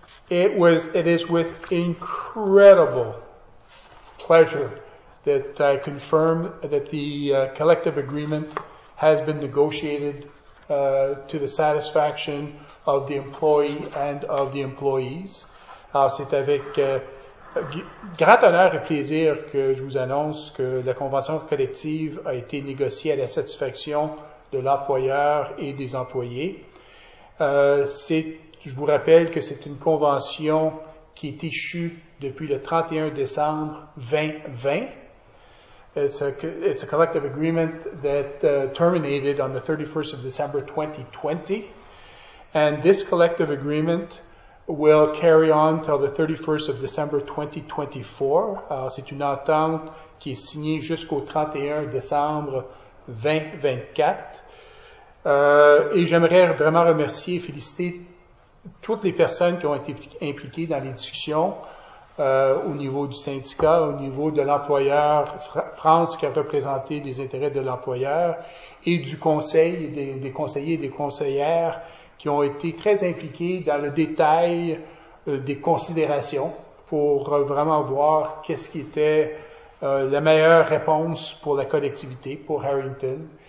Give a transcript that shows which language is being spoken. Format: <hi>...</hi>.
<en>It is with incredible pleasure that I confirm that the collective agreement has been negotiated to the satisfaction of the employee and of the employees.</en> <fr>Alors, c'est avec grand honneur et plaisir que je vous annonce que la convention collective a été négociée à la satisfaction de l'employeur et des employés. Je vous rappelle que c'est une convention qui est issue depuis le 31 décembre 2020.</fr> <en>It's a collective agreement that terminated on the 31st of December 2020. And this collective agreement will carry on till the 31st of December 2024.</en> <fr>Alors, c'est une entente qui est signée jusqu'au 31 décembre 2024. Et j'aimerais vraiment remercier et féliciter toutes les personnes qui ont été impliquées dans les discussions. Au niveau du syndicat, au niveau de l'employeur France qui a représenté les intérêts de l'employeur et du conseil, des conseillers et des conseillères qui ont été très impliqués dans le détail des considérations pour vraiment voir qu'est-ce qui était la meilleure réponse pour la collectivité, pour Harrington.</fr>